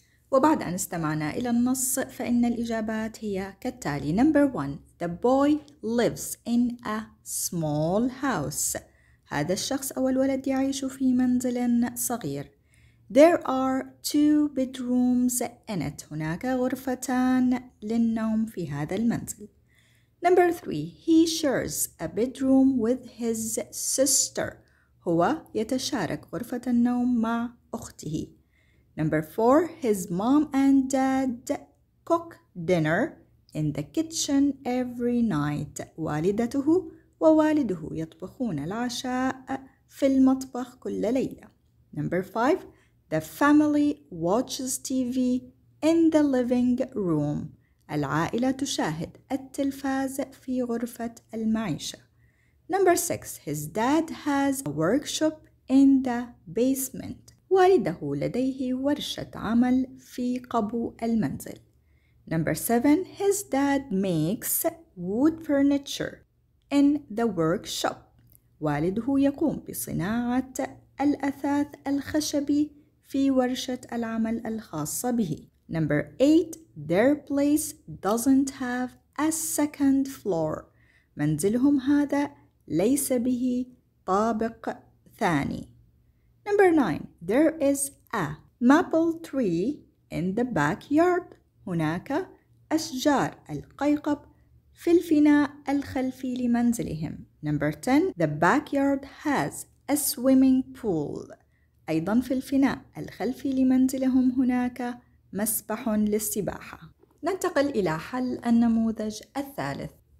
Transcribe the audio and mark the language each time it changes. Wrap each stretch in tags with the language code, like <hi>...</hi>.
<ar>وبعد أن استمعنا إلى النص فإن الإجابات هي كالتالي.</ar> <en>Number one, the boy lives in a small house.</en> <ar>هذا الشخص أو الولد يعيش في منزل صغير.</ar> <en>There are two bedrooms in it.</en> <ar>هناك غرفتان للنوم في هذا المنزل.</ar> <en>Number three, he shares a bedroom with his sister.</en> <ar>هو يتشارك غرفة النوم مع أخته.</ar> <en>Number four, his mom and dad cook dinner in the kitchen every night.</en> <ar>والدته ووالده يطبخون العشاء في المطبخ كل ليلة.</ar> <en>Number five, the family watches TV in the living room.</en> <ar>العائلة تشاهد التلفاز في غرفة المعيشة.</ar> <en>Number six, his dad has a workshop in the basement.</en> <ar>والده لديه ورشة عمل في قبو المنزل.</ar> <en>Number seven, his dad makes wood furniture in the workshop.</en> <ar>والده يقوم بصناعة الأثاث الخشبي في ورشة العمل الخاصة به.</ar> <en>Number eight, their place doesn't have a second floor.</en> <ar>منزلهم هذا ليس به طابق ثاني.</ar> <en>Number nine, there is a maple tree in the backyard.</en> <ar>هناك أشجار القيقب في الفناء الخلفي لمنزلهم.</ar> <en>Number ten, the backyard has a swimming pool.</en> <ar>أيضا في الفناء الخلفي لمنزلهم هناك مسبح للسباحة. ننتقل إلى حل النموذج الثالث.</ar>